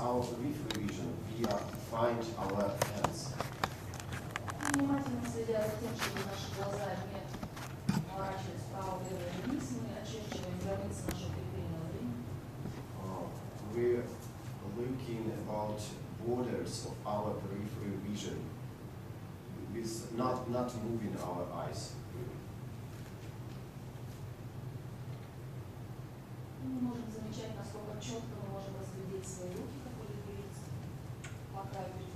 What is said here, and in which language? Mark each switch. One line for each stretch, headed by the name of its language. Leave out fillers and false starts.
English: our peripheral vision, we find our hands.
Russian: Внимательно следя за тем, чтобы наши глаза не поворачивались вправо, влево или вниз, мы очерчиваем границы нашего периферийного зрения.
English: We're looking about borders of our peripheral vision with not moving our eyes.
Russian: Мы не можем замечать, насколько четко мы можем разглядеть свои руки, как будет двигаться по краю.